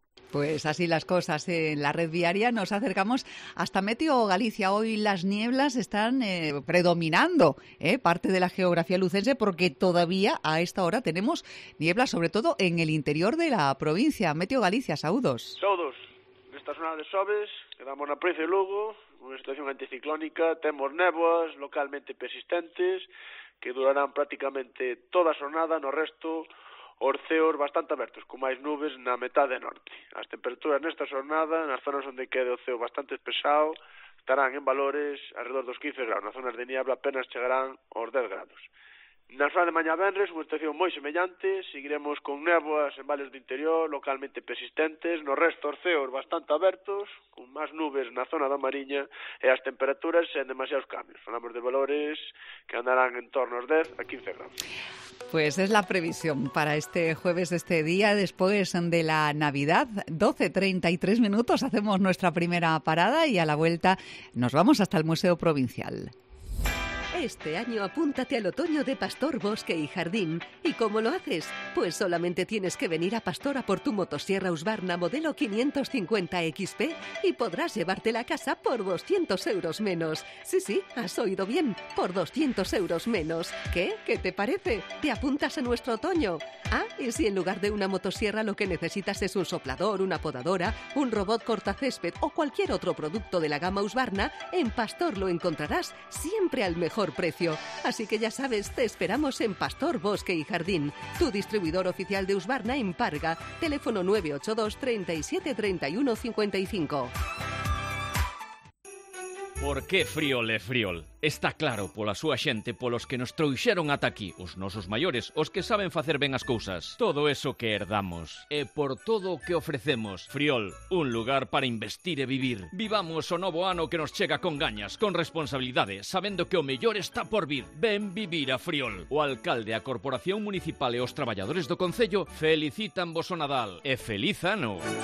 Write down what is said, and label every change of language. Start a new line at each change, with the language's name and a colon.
Spanish: Pues así las cosas en la red viaria. Nos acercamos hasta Meteo Galicia. Hoy las nieblas están predominando parte de la geografía lucense, porque todavía a esta hora tenemos nieblas, sobre todo en el interior de la provincia. Meteo Galicia, saludos. Saludos.
Galician: Esta zona de Sobes, quedamos na provincia de Lugo, unha situación anticiclónica, temos néboas localmente persistentes que durarán prácticamente toda a xornada, no resto os ceos bastante abertos, con máis nubes na metade norte. As temperaturas nesta xornada, nas zonas onde quede o ceo bastante espesado, estarán en valores alrededor dos 15 grados. Nas zonas de niebla apenas chegarán aos 10 grados. Na zona de mañá venres, unha situación moi semellante, seguiremos con néboas en vales do interior localmente persistentes, no resto os ceos bastante abertos, con máis nubes na zona da Mariña, e as temperaturas sen demasiados cambios. Falamos de valores que andarán en torno aos 10 a 15 grados.
Spanish: Pues es la previsión para este jueves, este día después de la Navidad. 12:33 minutos, hacemos nuestra primera parada y a la vuelta nos vamos hasta el Museo Provincial. Este año apúntate al otoño de Pastor Bosque y Jardín. ¿Y cómo lo haces? Pues solamente tienes que venir a Pastor a por tu motosierra Husqvarna modelo 550XP y podrás llevártela a casa por 200 euros menos. Sí, sí, has oído bien, por 200 euros menos. ¿Qué? ¿Qué te parece? ¿Te apuntas a nuestro otoño? Ah, y si en lugar de una motosierra lo que necesitas es un soplador, una podadora, un robot cortacésped o cualquier otro producto de la gama Husqvarna, en Pastor lo encontrarás siempre al mejor precio. Así que ya sabes, te esperamos en Pastor Bosque y Jardín, tu distribuidor oficial de Husqvarna en Parga, teléfono 982-37-31-55.
Galician: Por que Friol é Friol? Está claro, pola súa xente, polos que nos trouxeron ata aquí, os nosos maiores, os que saben facer ben as cousas. Todo eso que herdamos. E por todo o que ofrecemos. Friol, un lugar para investir e vivir. Vivamos o novo ano que nos chega con gañas, con responsabilidade, sabendo que o mellor está por vir. Ven vivir a Friol. O alcalde, a Corporación Municipal e os traballadores do Concello felicitan vos o Nadal. E feliz ano.